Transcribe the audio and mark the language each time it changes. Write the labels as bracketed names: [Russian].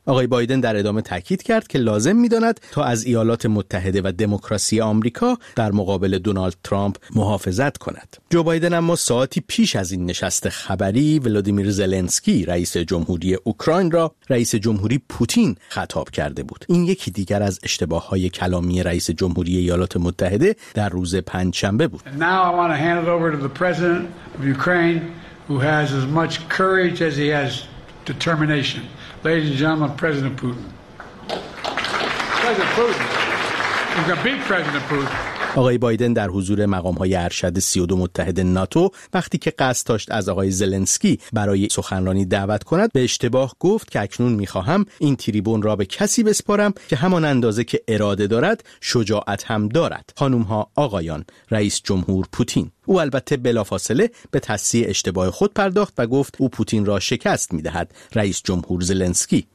[Persian] آقای بایدن در ادامه تاکید کرد که لازم می‌داند تا از ایالات متحده و دموکراسی آمریکا در مقابل دونالد ترامپ محافظت کند. جو بایدن اما ساعتی پیش از این نشست خبری ولادیمیر زلنسکی رئیس جمهوری اوکراین را رئیس جمهوری پوتین خطاب کرده بود. این یکی دیگر از اشتباه‌های کلامی رئیس جمهوری ایالات متحده در روز پنجشنبه بود. [English] Now I want to hand it over to the president of Ukraine who has as much courage as he has determination. Ladies and gentlemen, President Putin. President Putin. You can beat President Putin. [Persian] آقای بایدن در حضور مقام‌های ارشد 32 متحد ناتو وقتی که قصد داشت از آقای زلنسکی برای سخنرانی دعوت کند، به اشتباه گفت که اکنون می‌خواهم این تریبون را به کسی بسپارم که همان اندازه که اراده دارد، شجاعت هم دارد. خانم‌ها، آقایان، رئیس جمهور پوتین. او البته بلافاصله به تصحیح اشتباه خود پرداخت و گفت او پوتین را شکست می‌دهد، رئیس جمهور زلنسکی.